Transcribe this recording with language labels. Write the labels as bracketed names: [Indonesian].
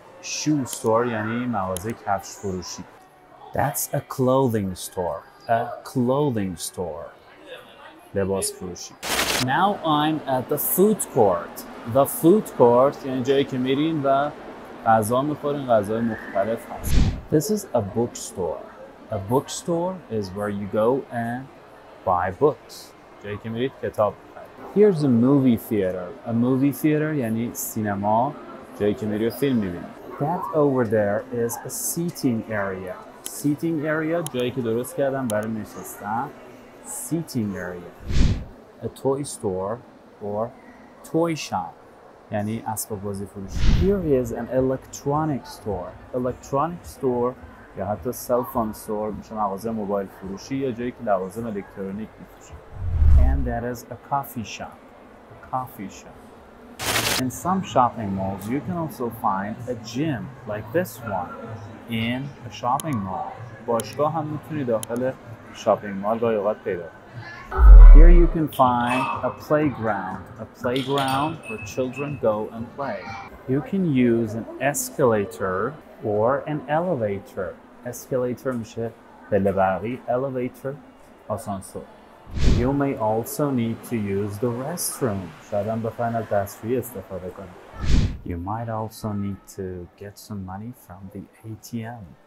[Persian] Shoe store یعنی مغازه کفش فروشی. [English] That's a clothing store. A clothing store. [Persian] لباس فروشی. [English] Now I'm at the food court. [Persian] The food court یعنی جایی که میرین و غذا میخورین، غذای مختلف هست. [English] This is a bookstore. A bookstore is where you go and buy books. [Persian] جایی که میرید کتاب بخرید. [English] Here's a movie theater. [Persian] A movie theater یعنی سینما، جایی که میرید فیلم میبینید. [English] That over there is a seating area. [Persian] Seating area جایی که درست کردم برای نشستن. [English] Seating area. A toy store or toy shop. [Persian] یعنی اسباب بازی فروشی. [English] Here is an electronic store. [Persian] Electronic store یا حتی cellphone store میشه مغازه موبایل فروشی یا جایی که لوازم الکترونیک میفروشه. [English] And that is a coffee shop. A coffee shop. In some shopping malls, you can also find a gym like this one in a shopping mall. [Persian] باشگاه هم میتونی داخل شاپینگ مال گاهی اوقات پیدا کنی. [English] Here you can find a playground where children go and play. You can use an escalator or an elevator. [Persian] Escalator میشه پله برقی، elevator آسانسور. [English] You may also need to use the restroom. [Persian] شاید هم بخواین از دستشویی استفاده کنید. [English] You might also need to get some money from the ATM.